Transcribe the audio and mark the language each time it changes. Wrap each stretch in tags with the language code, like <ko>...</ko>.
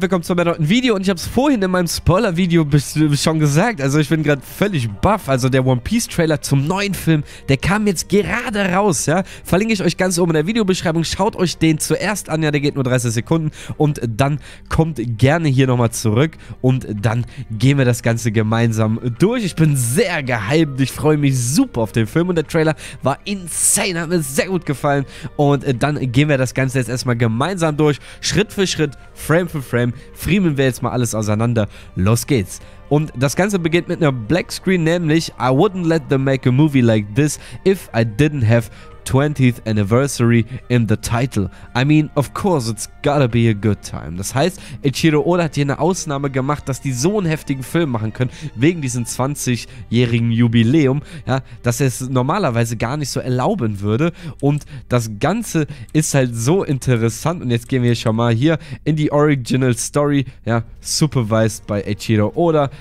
<de>Willkommen zu einem neuen Video und ich habe es vorhin in meinem Spoiler-Video schon gesagt, also ich bin gerade völlig baff, also der One-Piece-Trailer zum neuen Film, der kam jetzt gerade raus, ja, verlinke ich euch ganz oben in der Videobeschreibung, schaut euch den zuerst an, ja, der geht nur 30 Sekunden und dann kommt gerne hier nochmal zurück und dann gehen wir das Ganze gemeinsam durch. Ich bin sehr gehypt, ich freue mich super auf den Film und der Trailer war insane, hat mir sehr gut gefallen und dann gehen wir das Ganze jetzt erstmal gemeinsam durch, Schritt für Schritt. Frame für Frame, friemeln wir jetzt mal alles auseinander. Los geht's. Und das Ganze beginnt mit einer Black Screen, nämlich</de> <en>I wouldn't let them make a movie like this if I didn't have 20th anniversary in the title. I mean, of course, it's gotta be a good time.</en> <de>Das heißt, Eiichiro Oda hat hier eine Ausnahme gemacht, dass die so einen heftigen Film machen können, wegen diesem 20-jährigen Jubiläum, ja, dass er es normalerweise gar nicht so erlauben würde. Und das Ganze ist halt so interessant. Und jetzt gehen wir schon mal hier in die Original Story, ja, supervised by Eiichiro Oda.</de>